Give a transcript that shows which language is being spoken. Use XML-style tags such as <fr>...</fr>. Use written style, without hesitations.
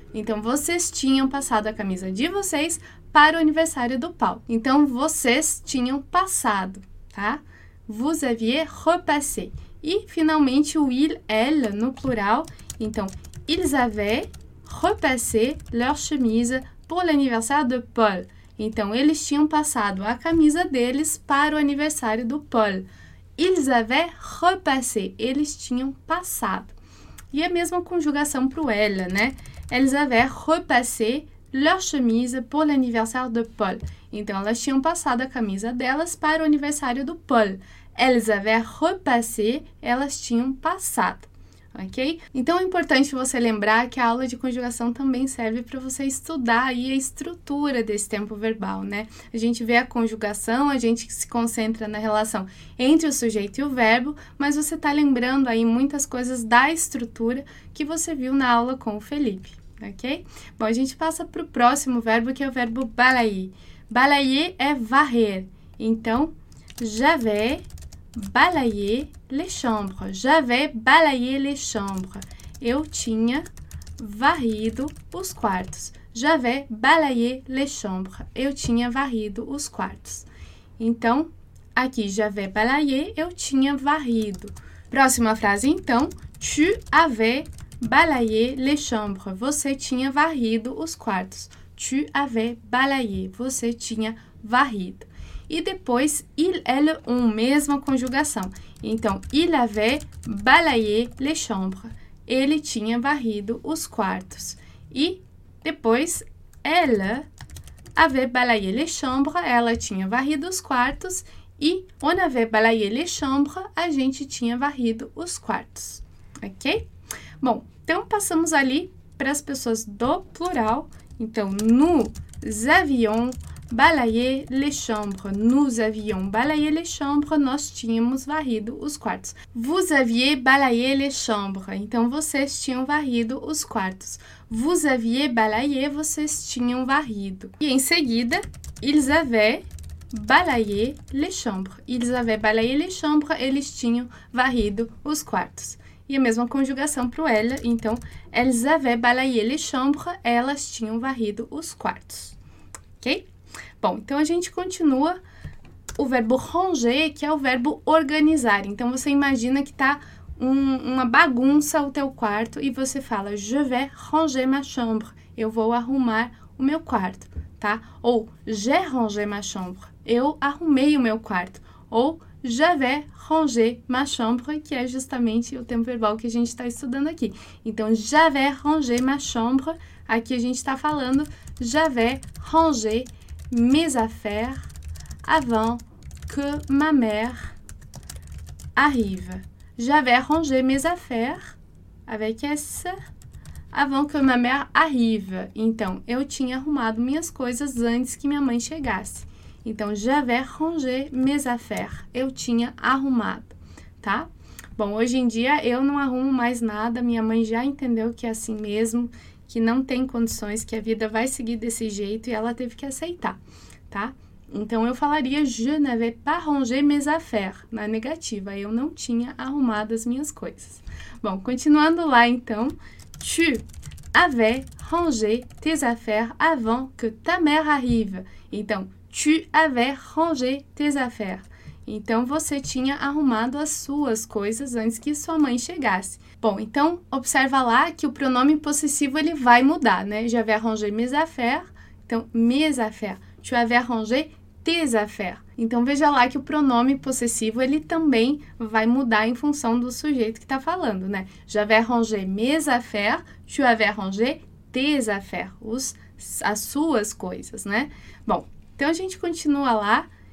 <pt>Então, vocês tinham passado a camisa de vocês para o aniversário do Paul. Então, vocês tinham passado, tá?</pt> <fr>Vous aviez repassé.</fr> <pt>E, finalmente, o il, elle, no plural.</pt> <fr>Então, ils avaient repassé leur chemise pour l'anniversaire de Paul.</fr> <pt>Então, eles tinham passado a camisa deles para o aniversário do Paul.</pt> <fr>Ils avaient repassé.</fr> <pt>Eles tinham passado. E a mesma conjugação para o elle, né?</pt> <fr>Ils avaient repassé leur chemise pour l'anniversaire de Paul.</fr> <pt>Então, elas tinham passado a camisa delas para o aniversário do Paul.</pt> <fr>Ils avaient repassé.</fr> <pt>Elas tinham passado. Ok? Então, é importante você lembrar que a aula de conjugação também serve para você estudar aí a estrutura desse tempo verbal, né? A gente vê a conjugação, a gente se concentra na relação entre o sujeito e o verbo, mas você está lembrando aí muitas coisas da estrutura que você viu na aula com o Felipe, ok? Bom, a gente passa para o próximo verbo, que é o verbo balayer. Balayer é varrer.</pt> <fr>Então, j'avais balayé les chambres. J'avais balayé les chambres.</fr> <pt>Eu tinha varrido os quartos.</pt> <fr>J'avais balayé les chambres.</fr> <pt>Eu tinha varrido os quartos. Então, aqui,</pt> <fr>j'avais balayé,</fr> <pt>eu tinha varrido. Próxima frase, então.</pt> <fr>Tu avais balayé les chambres.</fr> <pt>Você tinha varrido os quartos.</pt> <fr>Tu avais balayé.</fr> <pt>Você tinha varrido. E depois, il, elle, on, mesma conjugação.</pt> <fr>Então, il avait balayé les chambres.</fr> <pt>Ele tinha varrido os quartos. E depois,</pt> <fr>elle avait balayé les chambres.</fr> <pt>Ela tinha varrido os quartos.</pt> <fr>E on avait balayé les chambres.</fr> <pt>A gente tinha varrido os quartos. Ok? Bom, então passamos ali para as pessoas do plural.</pt> <fr>Então, nous avions balayé les chambres. Nous avions balayé les chambres.</fr> <pt>Nós tínhamos varrido os quartos.</pt> <fr>Vous aviez balayé les chambres.</fr> <pt>Então, vocês tinham varrido os quartos.</pt> <fr>Vous aviez balayé.</fr> <pt>Vocês tinham varrido. E em seguida,</pt> <fr>ils avaient balayé les chambres. Ils avaient balayé les chambres.</fr> <pt>Eles tinham varrido os quartos. E a mesma conjugação para o elle.</pt> <fr>Então, elles avaient balayé les chambres.</fr> <pt>Elas tinham varrido os quartos. Ok? Bom, então a gente continua o verbo ranger, que é o verbo organizar. Então, você imagina que está uma bagunça o teu quarto e você fala,</pt> <fr>je vais ranger ma chambre,</fr> <pt>eu vou arrumar o meu quarto, tá? Ou,</pt> <fr>j'ai rangé ma chambre,</fr> <pt>eu arrumei o meu quarto. Ou,</pt> <fr>j'avais rangé ma chambre,</fr> <pt>que é justamente o tempo verbal que a gente está estudando aqui.</pt> <fr>Então, j'avais rangé ma chambre,</fr> <pt>aqui a gente está falando,</pt> <fr>j'avais rangé mes affaires avant que ma mère arrive. J'avais rangé mes affaires avec S avant que ma mère arrive.</fr> <pt>Então, eu tinha arrumado minhas coisas antes que minha mãe chegasse.</pt> <fr>Então, j'avais rangé mes affaires.</fr> <pt>Eu tinha arrumado, tá? Bom, hoje em dia eu não arrumo mais nada. Minha mãe já entendeu que é assim mesmo, que não tem condições, que a vida vai seguir desse jeito e ela teve que aceitar, tá? Então, eu falaria,</pt> <fr>je n'avais pas rangé mes affaires,</fr> <pt>na negativa, eu não tinha arrumado as minhas coisas. Bom, continuando lá, então,</pt> <fr>tu avais rangé tes affaires avant que ta mère arrive. Então, tu avais rangé tes affaires.</fr> <pt>Então, você tinha arrumado as suas coisas antes que sua mãe chegasse. Bom, então, observa lá que o pronome possessivo, ele vai mudar, né?</pt> <fr>J'avais rangé mes affaires. Então, mes affaires. Tu avais rangé tes affaires.</fr> <pt>Então, veja lá que o pronome possessivo, ele também vai mudar em função do sujeito que está falando, né?</pt> <fr>J'avais rangé mes affaires. Tu avais rangé tes affaires.</fr> <pt>As suas coisas, né? Bom, então, a gente continua lá.</pt>